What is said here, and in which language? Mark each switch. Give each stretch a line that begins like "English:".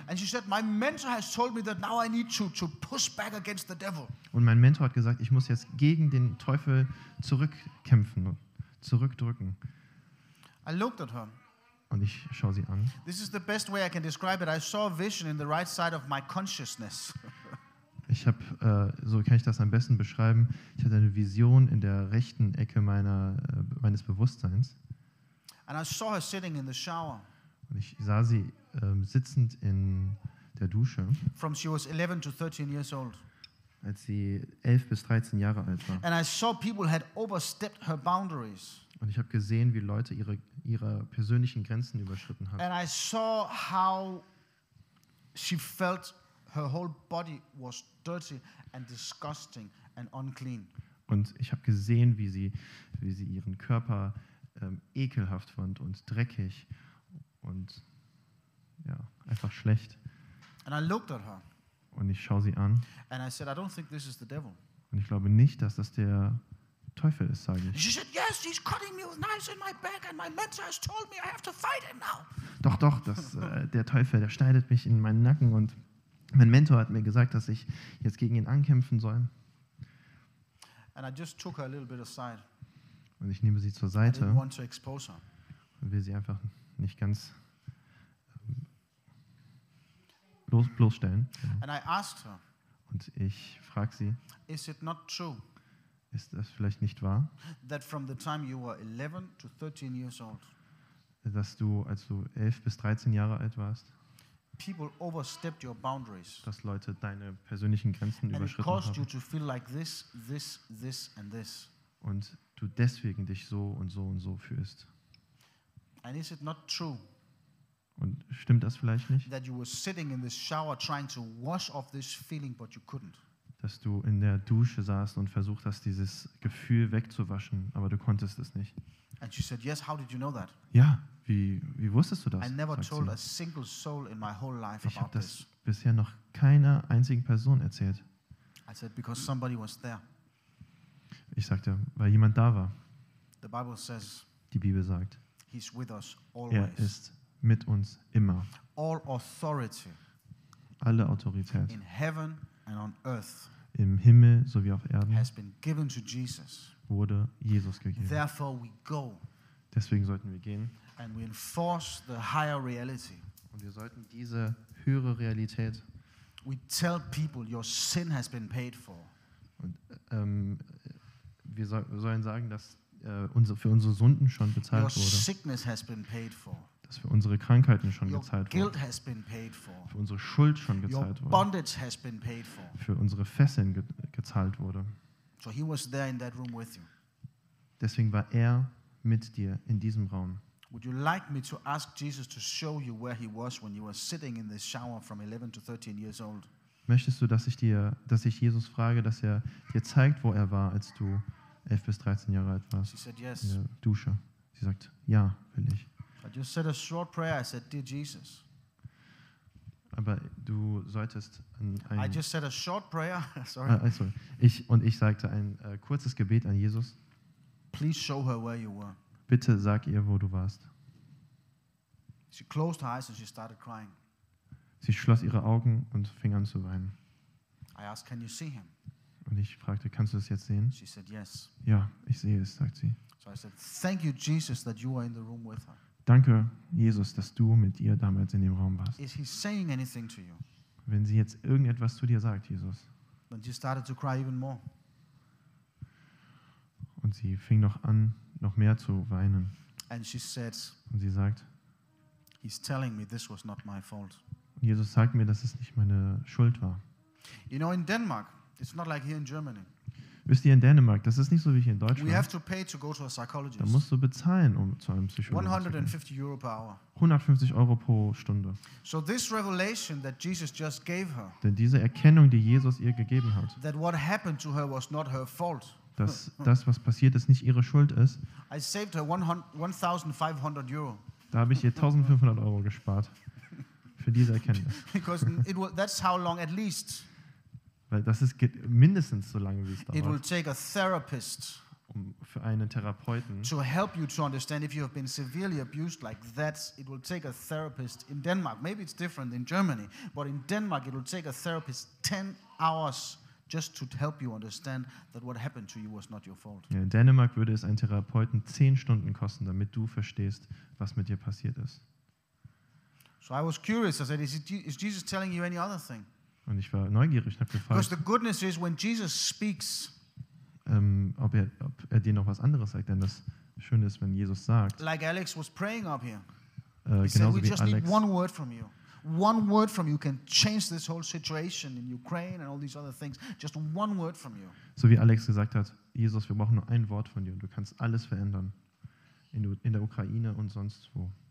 English: And she said, my mentor has told me that now I need to push back against the devil.
German: Und mein Mentor hat gesagt, ich muss jetzt gegen den Teufel zurückkämpfen, zurückdrücken.
English: I looked at her.
German: Und ich schaue sie an.
English: This is the best way I can describe it. I saw a vision in the right side of my consciousness.
German: Ich habe, so kann ich das am besten beschreiben, ich hatte eine Vision in der rechten Ecke meines Bewusstseins.
English: And I saw her sitting in the shower.
German: Und ich sah sie sitzend in der Dusche.
English: From she was 11 to 13 years old.
German: Als sie 11 bis 13 Jahre alt war.
English: And I saw people had overstepped her boundaries.
German: Und ich habe gesehen, wie Leute ihre persönlichen Grenzen überschritten haben.
English: And I saw how she felt. Her whole body was dirty and disgusting and unclean.
German: Und ich habe gesehen, wie sie ihren Körper ekelhaft fand und dreckig und ja, einfach schlecht.
English: And I looked at her.
German: Und ich schaue sie an.
English: And I said, I don't think this is the devil.
German: Und ich glaube nicht, dass das der Teufel ist, sage ich.
English: She said, yes, he's cutting me with knives in my back and my mentor has told me I have to fight him now.
German: Doch, das, der Teufel, der schneidet mich in meinen Nacken und mein Mentor hat mir gesagt, dass ich jetzt gegen ihn ankämpfen soll.
English: And I just took her a little bit aside.
German: Und ich nehme sie zur Seite.
English: I didn't want to expose her.
German: Und will sie einfach nicht ganz bloßstellen.
English: And I asked her,
German: und ich frage sie,
English: is it not true,
German: ist das vielleicht nicht wahr,
English: that from the time you were 11 to 13 years old,
German: dass du, als du 11 bis 13 Jahre alt warst,
English: people overstepped your boundaries.
German: Dass Leute deine persönlichen Grenzen
English: and
German: überschritten haben.
English: And caused you to feel like this, this, this and this.
German: Und du deswegen dich so und so und so fühlst.
English: And is it not true?
German: Und stimmt das vielleicht nicht?
English: That you were sitting in the shower trying to wash off this feeling, but you couldn't.
German: Dass du in der Dusche saßt und versucht hast, dieses Gefühl wegzuwaschen, aber du konntest es nicht.
English: And she said, "Yes. How did you know that?"
German: Ja. Wie wusstest du das?
English: I never told a single soul in my whole life about this.
German: Ich habe das bisher noch keiner einzigen Person erzählt.
English: I said, because somebody was there.
German: Ich sagte, weil jemand da war.
English: The Bible says,
German: die Bibel sagt,
English: he's with us always.
German: Er ist mit uns immer.
English: All authority.
German: Alle Autorität.
English: In heaven and on earth.
German: Im Himmel sowie auf Erden.
English: Has been given to Jesus.
German: Wurde Jesus gegeben.
English: Therefore we go.
German: Deswegen sollten wir gehen.
English: And we enforce the higher reality.
German: Und wir sollten diese höhere Realität.
English: We tell people your sin has been paid for.
German: Und wir sollen sagen, dass für unsere Sünden schon bezahlt
English: your Your sickness has been paid for.
German: Dass für unsere Krankheiten schon
English: your
German: gezahlt
English: guilt
German: wurde.
English: Has been paid for.
German: Für unsere Schuld schon
English: your
German: gezahlt wurde.
English: Your bondage has been paid for.
German: Für unsere Fesseln gezahlt wurde.
English: So he was there in that room with you.
German: Deswegen war er mit dir in diesem Raum.
English: Would you like me to ask Jesus to show you where he was when you were sitting in the shower from 11 to 13 years old?
German: Möchtest du, dass ich Jesus frage, dass er dir zeigt, wo er war, als du 11 bis 13 Jahre alt warst?
English: She said yes.
German: In der Dusche. Sie sagt, ja, will ich.
English: I just said a short prayer. I said, dear Jesus.
German: Aber du solltest
English: I just said a short prayer. Sorry.
German: Ich sagte ein kurzes Gebet an Jesus.
English: Please show her where you were.
German: Bitte sag ihr, wo du warst.
English: She closed her eyes and she started crying.
German: Sie schloss ihre Augen und fing an zu weinen.
English: I asked, can you see him?
German: Und ich fragte, kannst du es jetzt sehen?
English: She said, yes.
German: Ja, ich sehe es, sagt sie.
English: So I said, thank you, Jesus, that you are in the room with her.
German: Danke, Jesus, dass du mit ihr damals in dem Raum warst.
English: Is he saying anything to you?
German: Wenn sie jetzt irgendetwas zu dir sagt, Jesus.
English: Then she started to cry even more.
German: Und sie fing noch an, noch mehr zu weinen.
English: And she said,
German: und sie sagt,
English: he's telling me this was not my fault.
German: Jesus sagt mir, dass es nicht meine Schuld war.
English: You know, in Denmark, it's not like here in Germany.
German: Wisst ihr, in Dänemark, das ist nicht so wie hier in Deutschland.
English: We have to pay to go to a psychologist.
German: Da musst du bezahlen, um zu einem Psychologen zu gehen.
English: 150 Euro per hour.
German: 150 Euro pro Stunde.
English: So this revelation that Jesus just gave her,
German: denn diese Erkennung, die Jesus ihr gegeben hat,
English: that what happened to her was not her fault.
German: Dass das, was passiert ist, nicht ihre Schuld ist.
English: I saved her 1,500 Euro.
German: Da habe ich ihr 1,500 Euro gespart für diese Erkenntnis.
English: Because it was, that's how long at least.
German: Weil das ist mindestens so lange, wie es dauert.
English: It will take a therapist,
German: um für einen Therapeuten
English: to help you to understand if you have been severely abused like that. It will take a therapist in Denmark. Maybe it's different in Germany, but in Denmark it will take a therapist 10 hours just to help you understand that what happened to you was not your fault.
German: Ja, in Dänemark würde es einen Therapeuten 10 Stunden kosten, damit du verstehst, was mit dir passiert ist.
English: So I was curious. I said, is Jesus telling you any other thing?
German: Und ich war neugierig, habe gefragt.
English: Because the goodness is when Jesus speaks.
German: Ob er dir noch was anderes sagt, denn das Schöne ist, wenn Jesus sagt.
English: Like Alex was praying up here.
German: Genauso wie Alex.
English: Need one word from you. One word from you can change this whole situation in Ukraine and all these other things. Just one word from you.
German: So wie Alex gesagt hat, Jesus, wir brauchen nur ein Wort von dir und du kannst alles verändern in der Ukraine und sonst wo.